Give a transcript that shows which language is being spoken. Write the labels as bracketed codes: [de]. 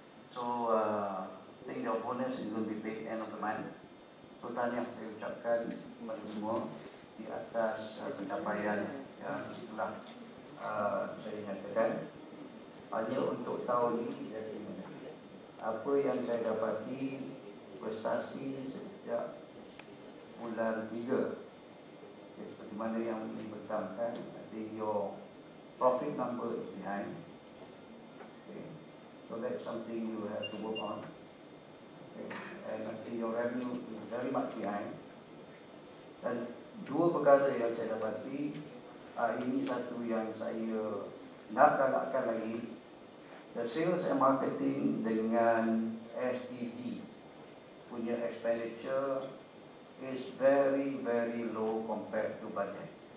[en] So, I think your bonus is going to be paid end of the month. So, [ms] tahniah saya ucapkan kepada semua di atas pencapaian yang telah saya nyatakan. Hanya untuk tahun ini, apa yang saya dapati prestasi sejak bulan 3, ya, seperti mana yang dibentangkan, ada [en] your profit number is behind. So that's something you have to work on. Okay. And I think your revenue is very much behind. [ms] Dan dua perkara yang saya dapati, ini satu yang saya nak galakkan lagi, [en] the sales and marketing [ms] dengan SDD punya [en] expenditure is very, very low compared to budget.